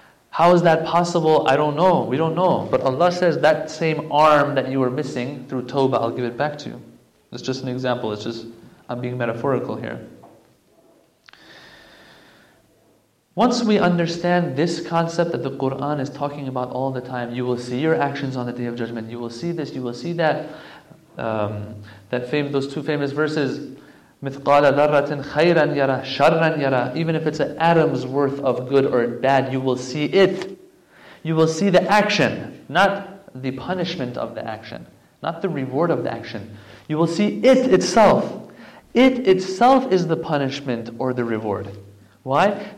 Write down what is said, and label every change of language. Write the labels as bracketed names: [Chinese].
[English] How is that possible? I don't know. We don't know. But Allah says that same arm that you were missing through tawbah, I'll give it back to you. It's just an example. It's just, I'm being metaphorical here. Once we understand this concept that the Quran is talking about all the time, you will see your actions on the Day of Judgment. You will see this, you will see that. Those two famous verses, [Arabic] مِثْقَالَ ذَرَّةٍ خَيْرًا يَرَى شَرًّا يَرَى. [English] Even if it's an atom's worth of good or bad, you will see it. You will see the action, not the punishment of the action, not the reward of the action. You will see it itself. It itself is the punishment or the reward. Why?